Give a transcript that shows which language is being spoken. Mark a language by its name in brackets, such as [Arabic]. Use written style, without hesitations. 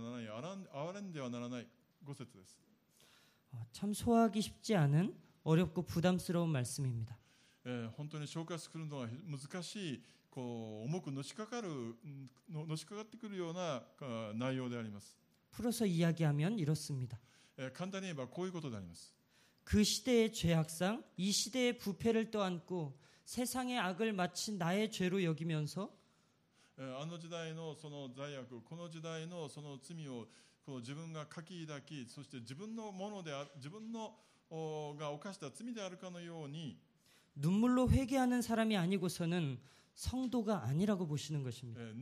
[Japanese] 5節また私が聞いてるとこうおっしゃられた彼の後について町の中を生き巡って打ち殺せ惜しんではならない哀れんではならない5節です。 [Korean] 참 소화하기 쉽지 않은 어렵고 부담스러운 말씀입니다. [Japanese] 本当に消化するのは難しい、重くのしかかってくるような内容であります。 [Korean] 풀어서 이야기하면 이렇습니다. 간단히 [Japanese] 言えばこういうことであります。 [Korean] 그 시대의 죄악상, 이 시대의 부패를 떠안고 세상의 악을 마치 나의 죄로 여기면서 [Japanese] あの時代のその罪悪、この時代のその罪を自分が書き抱き、そして自分のもので、自分のが犯した罪であるかのように [Korean] 눈물로 회개하는 사람이 아니고서는 성도가 아니라고 보시는 것입니다.